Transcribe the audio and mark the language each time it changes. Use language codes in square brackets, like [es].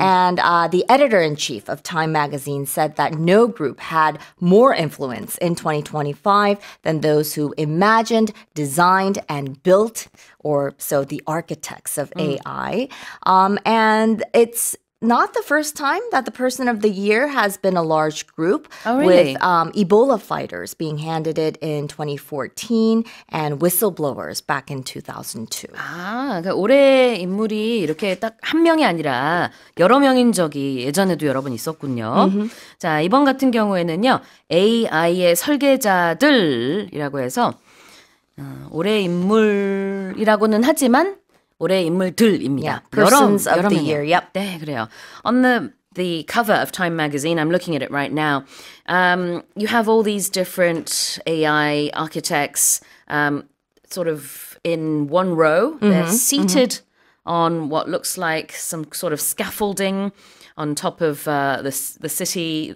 [en] And the editor-in-chief of Time magazine said that no group had more influence in 2025 than those who imagined, designed, and built, or so the architects of AI. And it's not the first time that the person of the year has been a large group. Oh, really? With Ebola fighters being handed it in 2014 and whistleblowers back in 2002. [ko] 아, 그러니까 올해 인물이 이렇게 딱 한 명이 아니라 여러 명인 적이 예전에도 여러 번 있었군요. Mm-hmm. 자, 이번 같은 경우에는요. AI의 설계자들이라고 해서 올해 인물이라고는 하지만 올해 인물들입니다. [en] Yeah, persons of the year. Yep. [ko] 네, 그래요. [en] On the cover of Time magazine, I'm looking at it right now. You have all these different AI architects sort of in one row. Mm-hmm. They're seated on what looks like some sort of scaffolding on top of the city.